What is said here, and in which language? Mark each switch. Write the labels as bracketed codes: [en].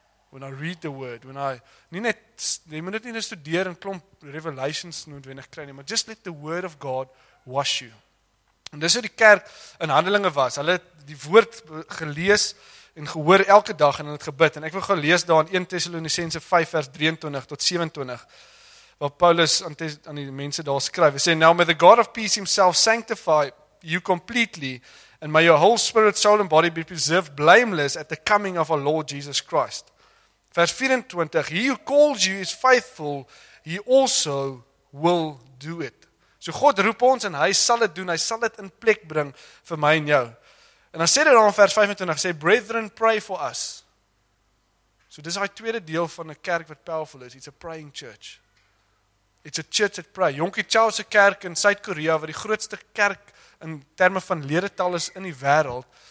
[en] When I read the word, [af] jy moet dit nie studeer en klomp revelations noodwendig kry nie, maar [en] just let the word of God wash you. [af] En dis hoe die kerk in Handelinge was. Hulle het die woord gelees en gehoor elke dag en hulle het gebid. En ek wil gaan lees daar in 1 Tessalonisense 5 vers 23 tot 27. Wat Paulus aan die mense daar skryf. Hy sê, [en] now may the God of peace himself sanctify you completely, and may your whole spirit, soul and body be preserved blameless at the coming of our Lord Jesus Christ. [af] Vers 24, [en] he who calls you is faithful, he also will do it. [af] So God roep ons en hy sal het doen, hy sal het in plek bring vir my en jou. En dan sê dit dan vers 25, sê, [en] brethren, pray for us. [af] So dis die tweede deel van die kerk wat powerful is, [en] it's a praying church. It's a church that pray. [af] Yonkie Chow se kerk in Suid-Korea, wat die grootste kerk in terme van ledetal is in die wêreld.